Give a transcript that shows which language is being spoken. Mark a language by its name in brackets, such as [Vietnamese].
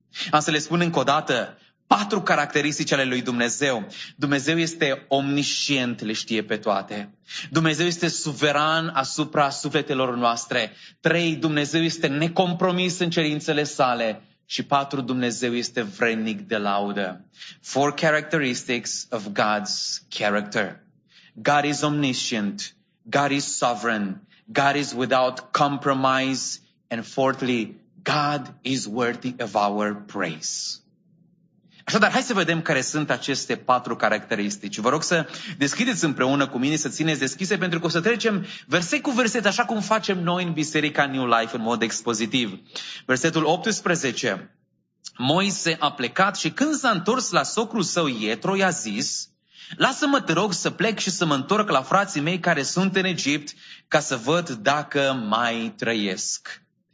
[Romanian] Am să le spun încă o dată patru caracteristici ale lui Dumnezeu. Dumnezeu este omniscient, le știe pe toate. Dumnezeu este suveran asupra sufletelor noastre. Trei, Dumnezeu este necompromis în cerințele sale. Și patru, Dumnezeu este vrednic de laudă. [English] Four characteristics of God's character. God is omniscient. God is sovereign. God is without compromise. And fourthly, God is worthy of our praise. [Romanian] Așadar, hai să vedem care sunt aceste patru caracteristici. Vă rog să deschideți împreună cu mine, să țineți deschise, pentru că o să trecem verset cu verset, așa cum facem noi în Biserica New Life, în mod expozitiv. Versetul 18. Moise a plecat și când s-a întors la socrul său Ietro, i-a zis: lasă-mă, te rog, să plec și să mă întorc la frații mei care sunt în Egipt, ca să văd dacă mai trăiesc.